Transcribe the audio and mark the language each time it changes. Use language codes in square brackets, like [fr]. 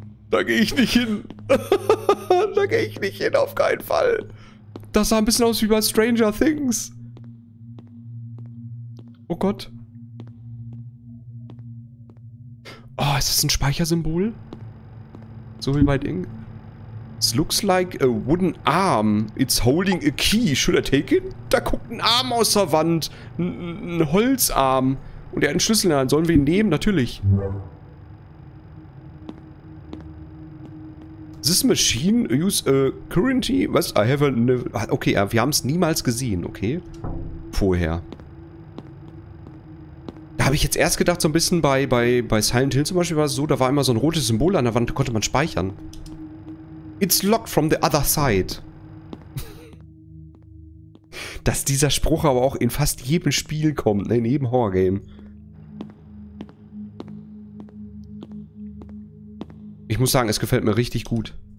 [de] Da gehe ich nicht hin. Da gehe ich nicht hin, auf keinen Fall. Das sah ein bisschen aus wie bei Stranger Things. Oh Gott. Oh, ist das ein Speichersymbol? So wie bei Ding. [en] It looks like a wooden arm. It's holding a key. Should I take it? [de] Da guckt ein Arm aus der Wand. Ein Holzarm. Und er hat einen Schlüssel in der Hand. Sollen wir ihn nehmen? Natürlich. [en] This machine use a currency. Was? I have a... [de] Okay, wir haben es niemals gesehen, okay? Vorher. Da habe ich jetzt erst gedacht, so ein bisschen bei Silent Hill zum Beispiel war es so, da war immer so ein rotes Symbol an der Wand, da konnte man speichern. [en] It's locked from the other side. [de] dass dieser Spruch aber auch in fast jedem Spiel kommt, ne? In jedem Horrorgame. Ich muss sagen, es gefällt mir richtig gut.